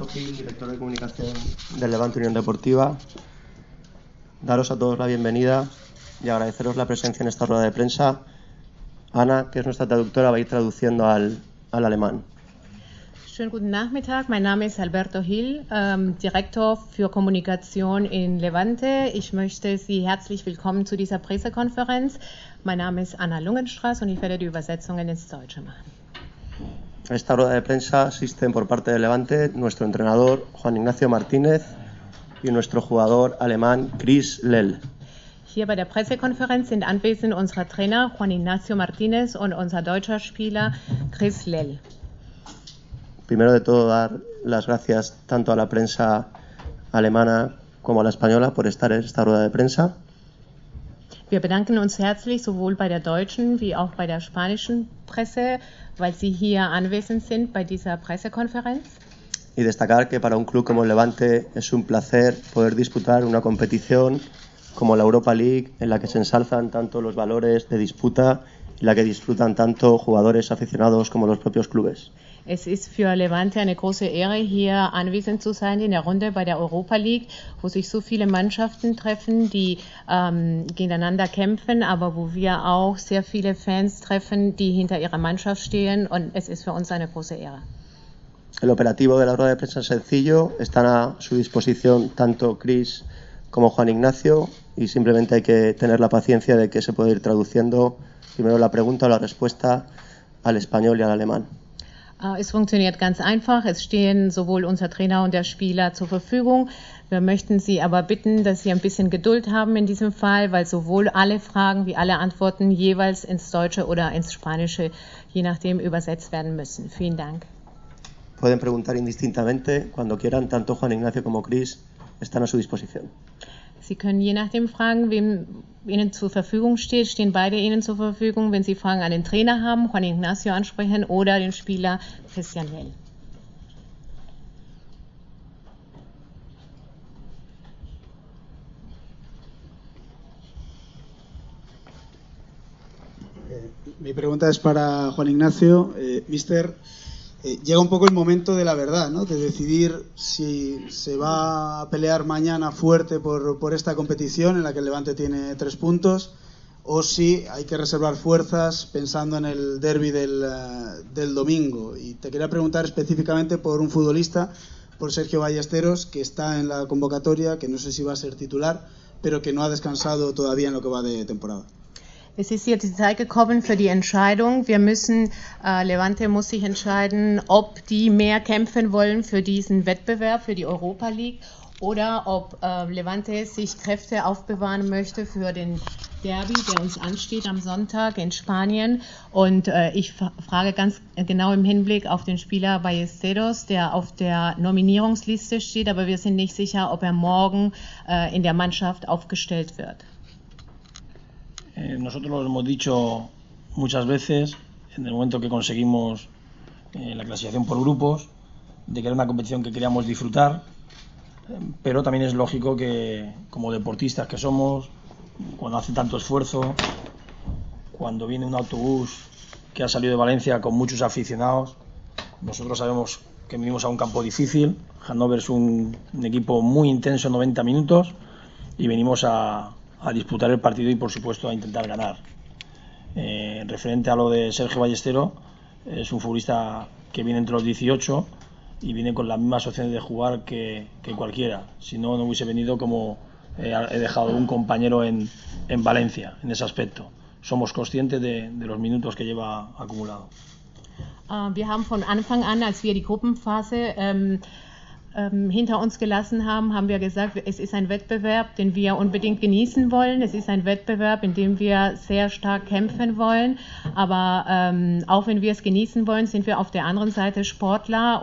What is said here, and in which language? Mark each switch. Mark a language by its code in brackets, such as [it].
[es] Gil, director de comunicación del Levante Unión Deportiva. Daros a todos la bienvenida y agradeceros la presencia en esta rueda de prensa. Ana, que es nuestra traductora, va a ir traduciendo al alemán. [de] Schönen guten Nachmittag. Mein Name ist Alberto Gil, Direktor für Kommunikation in Levante. Ich möchte Sie herzlich willkommen zu dieser Pressekonferenz. Mein Name ist Anna Lungenstrass und ich werde die Übersetzungen ins Deutsche machen. [es] Esta rueda de prensa asisten por parte de Levante nuestro entrenador Juan Ignacio Martínez y nuestro jugador alemán Chris Lell. [de] Hier bei der Pressekonferenz sind anwesend unser Trainer Juan Ignacio Martínez und unser deutscher Spieler Chris Lell. [es] Primero de todo, dar las gracias tanto a la prensa alemana como a la española por estar en esta rueda de prensa. [de] Wir bedanken uns herzlich sowohl bei der deutschen wie auch bei der spanischen Presse, weil sie hier anwesend sind bei dieser Pressekonferenz. [es] Y destacar que para un club como Levante es un placer poder disputar una competición como la Europa League, en la que se ensalzan tanto los valores de disputa y la que disfrutan tanto jugadores aficionados como los propios clubes. [de] Es ist für Levante eine große Ehre, hier anwesend zu sein in der Runde bei der Europa League, wo sich so viele Mannschaften treffen, die gegeneinander kämpfen, aber wo wir auch sehr viele Fans treffen, die hinter ihrer Mannschaft stehen, und es ist für uns eine große Ehre. [es] El operativo de la rueda de prensa es sencillo, están a su disposición tanto Chris como Juan Ignacio, y simplemente hay que tener la paciencia de que se puede ir traduciendo primero la pregunta o la respuesta al español y al alemán. [de] Es funktioniert ganz einfach. Es stehen sowohl unser Trainer und der Spieler zur Verfügung. Wir möchten Sie aber bitten, dass Sie ein bisschen Geduld haben in diesem Fall, weil sowohl alle Fragen wie alle Antworten jeweils ins Deutsche oder ins Spanische, je nachdem, übersetzt werden müssen. Vielen Dank. [es] Pueden preguntar indistintamente, cuando quieran, tanto Juan Ignacio como Chris están a su disposición. [de] Sie können je nachdem fragen, wem Ihnen zur Verfügung steht, stehen beide Ihnen zur Verfügung, wenn Sie Fragen an den Trainer haben, Juan Ignacio ansprechen oder den Spieler Christian Lell. [es] Mi pregunta es para Juan Ignacio. Mister, llega un poco el momento de la verdad, ¿no? De decidir si se va a pelear mañana fuerte por esta competición en la que el Levante tiene 3 puntos o si hay que reservar fuerzas pensando en el derbi del domingo. Y te quería preguntar específicamente por un futbolista, por Sergio Ballesteros, que está en la convocatoria, que no sé si va a ser titular, pero que no ha descansado todavía en lo que va de temporada. [de] Es ist jetzt die Zeit gekommen für die Entscheidung. Wir müssen, Levante muss sich entscheiden, ob die mehr kämpfen wollen für diesen Wettbewerb, für die Europa League, oder ob Levante sich Kräfte aufbewahren möchte für den Derby, der uns ansteht am Sonntag in Spanien. Und ich frage ganz genau im Hinblick auf den Spieler Ballesteros, der auf der Nominierungsliste steht, aber wir sind nicht sicher, ob er morgen in der Mannschaft aufgestellt wird. [es] Nosotros lo hemos dicho muchas veces, en el momento que conseguimos la clasificación por grupos, de que era una competición que queríamos disfrutar, pero también es lógico que, como deportistas que somos, cuando hace tanto esfuerzo, cuando viene un autobús que ha salido de Valencia con muchos aficionados, nosotros sabemos que vinimos a un campo difícil. Hannover es un equipo muy intenso, 90 minutos, y venimos a disputar el partido y, por supuesto, a intentar ganar. Referente a lo de Sergio Ballesteros, es un futbolista que viene entre los 18 y viene con las mismas opciones de jugar que cualquiera. Si no, no hubiese venido como he dejado un compañero en Valencia, en ese aspecto. Somos conscientes de los minutos que lleva acumulado. [de] Wir haben von Anfang an, als wir die Gruppenphase hinter uns gelassen haben, haben wir gesagt, es ist ein Wettbewerb, den wir unbedingt genießen wollen. Es ist ein Wettbewerb, in dem wir sehr stark kämpfen wollen. Aber auch wenn wir es genießen wollen, sind wir auf der anderen Seite Sportler.